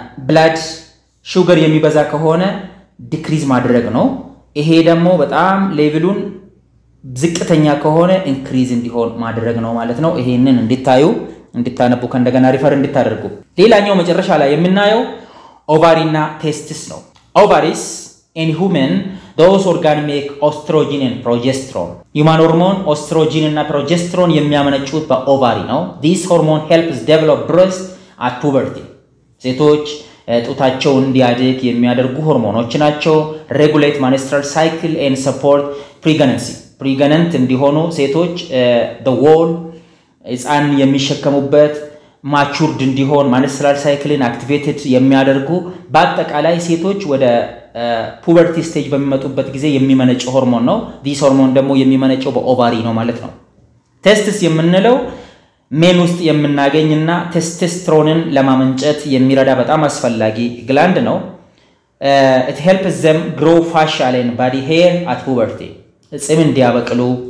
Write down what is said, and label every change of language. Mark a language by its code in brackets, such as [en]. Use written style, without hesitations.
[am] blood sugar የሚበዛ ከሆነ decrease ማድረግ ነው። ይሄ ደግሞ በጣም ሌቭሉን ዝቅተኛ ከሆነ ኢንክሪዝ እንዲሆን ማድረግ ነው ማለት ነው። ይሄንን እንድታዩ እንድታነቡ ከእንደገና ሪፈር እንድታደርጉ። ሌላኛው መጨረሻ ላይ የምናየው ኦቫሪና ቴስትስ ነው። [en] ovaries in human those organ make estrogen and progesterone. human hormone estrogen እና progesterone [am] የሚያመነጩት በኦቫሪ ነው። [en] this hormone helps develop breast at puberty. [am] ሴቶች ጡታቸው እንዲያድግ የሚያደርጉ ሆርሞኖች ናቸው። [en] regulate menstrual cycle and support pregnancy. [am] pregnant እንዲሆኑ ሴቶች [en] the wall [am] ህፃን የሚሸከሙበት matured እንዲሆን menstrual cycle-ን activated የሚያደርጉ በአጠቃላይ ሴቶች ወደ puberty stage በሚመጡበት ጊዜ የሚመነጭ ሆርሞን ነው። this hormone ደግሞ የሚመነጨው በኦቫሪ ነው ማለት ነው። tests የምንለው ሜን ውስጥ የምናገኝና ቴስቶስትሮንን ለማመንጨት የሚረዳ በጣም አስፈላጊ ግላንድ ነው። [en] it helps them grow facial and body hair at puberty. [am] ጺም እንዲያበቅሉ